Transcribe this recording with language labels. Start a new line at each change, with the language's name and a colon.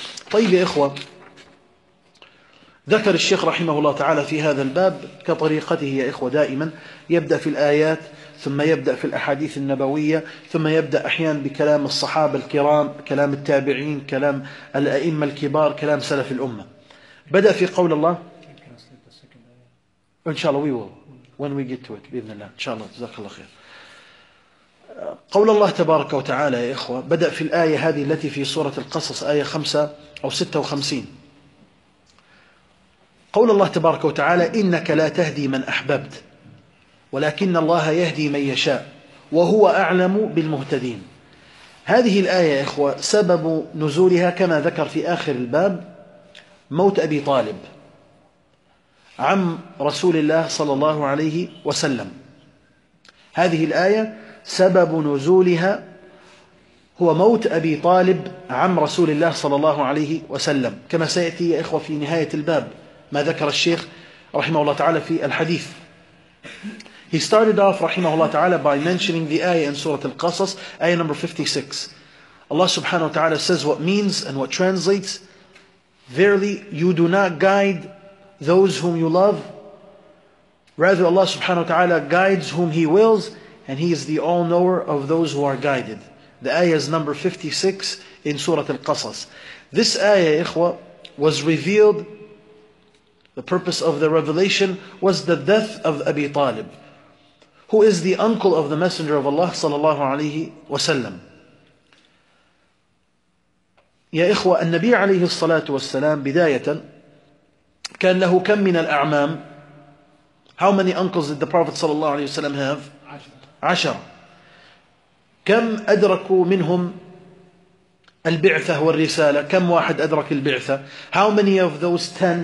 Arabic: طيب يا إخوة، ذكر الشيخ رحمه الله تعالى في هذا الباب كطريقته يا إخوة دائما، يبدأ في الآيات، ثم يبدأ في الأحاديث النبوية، ثم يبدأ أحيانا بكلام الصحابة الكرام، كلام التابعين، كلام الأئمة الكبار، كلام سلف الأمة. بدأ في قول الله. إن شاء الله
English: we will when we get to it
Arabic: بإذن الله. إن شاء الله، جزاك الله خير. قول الله تبارك وتعالى يا إخوة بدأ في الآية هذه التي في سورة القصص، آية 5 أو 56. قول الله تبارك وتعالى: إنك لا تهدي من أحببت ولكن الله يهدي من يشاء وهو أعلم بالمهتدين. هذه الآية يا إخوة سبب نزولها كما ذكر في آخر الباب موت أبي طالب عم رسول الله صلى الله عليه وسلم. هذه الآية سبب نزولها هو موت أبي طالب عم رسول الله صلى الله عليه وسلم، كما سيأتي يا إخوة في نهاية الباب ما ذكر الشيخ رحمه الله تعالى في الحديث.
English: He started off
Arabic: رحمه الله تعالى
English: by mentioning the ayah in Surah Al-Qasas, ayah number 56. Allah subhanahu wa ta'ala says what means and what translates. Verily, you do not guide those whom you love. Rather, Allah subhanahu wa ta'ala guides whom He wills, and He is the all-knower of those who are guided. The ayah is number 56 in Surah Al-Qasas. This ayah, ikhwa, was revealed. The purpose of the revelation was the death of Abi Talib, who is the uncle of the Messenger of Allah sallallahu alayhi wa sallam.
Arabic: يا إخوة النبي عليه الصلاة والسلام بداية كان له كم من الأعمام؟
English: How many uncles did the Prophet صلى الله عليه وسلم have?
Arabic: عشر. كم أدركوا منهم البعثة والرسالة؟ كم واحد أدرك البعثة؟
English: How many of those ten?